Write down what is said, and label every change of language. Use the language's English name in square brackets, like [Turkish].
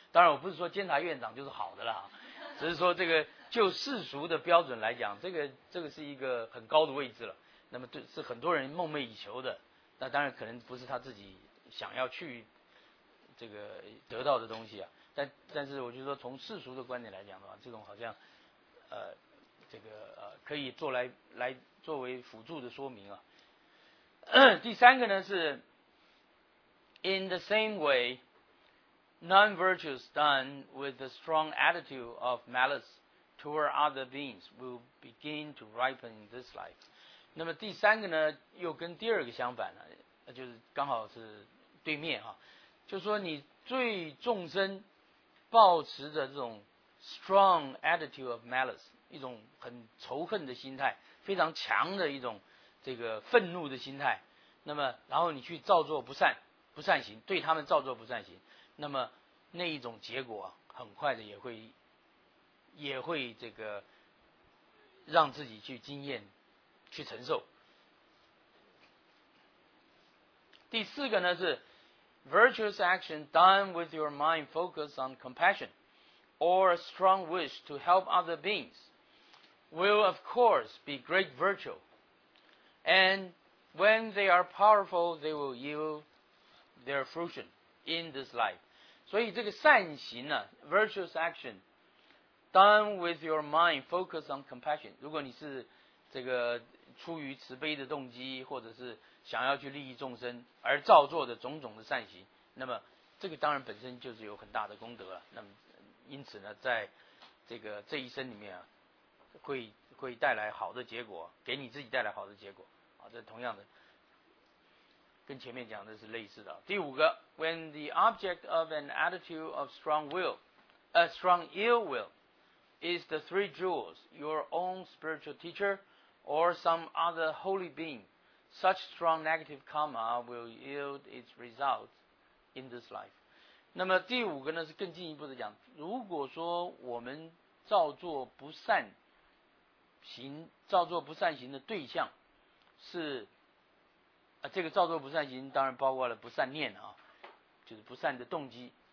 [Chinese] 当然我不是说监察院长就是好的啦，只是说这个就世俗的标准来讲，这个是一个很高的位置了，那么对，是很多人梦寐以求的。那当然可能不是他自己想要去这个得到的东西啊，但是我就说从世俗的观点来讲的话，这种好像这个可以做来作为辅助的说明啊。第三个呢是 [English] In the same way, non-virtues done with a strong attitude of malice toward other beings will begin to ripen in this life. [Chinese] 那么第三个呢，又跟第二个相反了，就是刚好是对面哈，就说你对众生抱持的这种 [English] strong attitude of malice, [Chinese] 一种很仇恨的心态，非常强的一种这个愤怒的心态，那么然后你去造作不善行，对他们造作不善行，那么那一种结果啊，很快的也会这个让自己去经验去承受。第四个呢是 [English] virtuous action done with your mind focused on compassion or a strong wish to help other beings will of course be great virtue, and when they are powerful they will yieldTheir fruition in this life. [Chinese] 所以这个善行啊 [English] virtuous action done with your mind focus on compassion. [Chinese] 如果你是这个出于慈悲的动机，或者是想要去利益众生而造作的种种的善行，那么这个当然本身就是有很大的功德了。那么因此呢，在这个这一生里面啊，会带来好的结果，给你自己带来好的结果。啊，这同样的，跟前面讲的是类似的。第五个 [English] ，when the object of an attitude of strong will, a strong ill will, is the three jewels, your own spiritual teacher, or some other holy being, such strong negative karma will yield its results in this life. [Chinese] 那么第五个呢，是更进一步的讲，如果说我们造作不善行，造作不善行的对象是啊，这个造作不善行当然包括了不善念啊，就是不善的动机。